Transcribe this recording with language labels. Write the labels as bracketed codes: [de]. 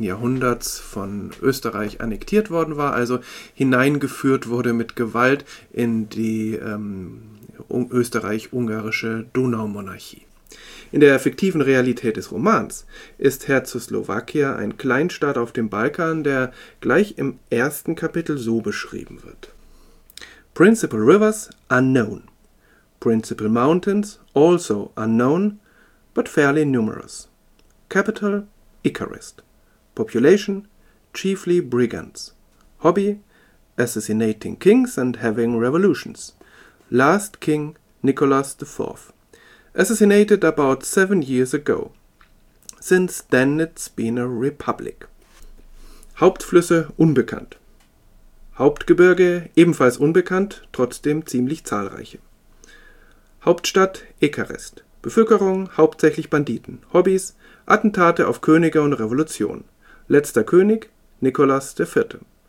[de] Jahrhunderts von Österreich annektiert worden war, also hineingeführt wurde mit Gewalt in die österreich-ungarische Donaumonarchie. In der fiktiven Realität des Romans ist Herzegowina ein Kleinstaat auf dem Balkan, der gleich im ersten Kapitel so beschrieben wird. [en] Principal rivers unknown, principal mountains also unknown, but fairly numerous. Capital Icarus, population chiefly brigands, hobby assassinating kings and having revolutions. Last king Nicholas IV. Assassinated about 7 years ago. Since then it's been a republic. [de] Hauptflüsse unbekannt. Hauptgebirge ebenfalls unbekannt, trotzdem ziemlich zahlreiche. Hauptstadt Icarus. Bevölkerung hauptsächlich Banditen. Hobbys Attentate auf Könige und Revolution. Letzter König Nicholas IV.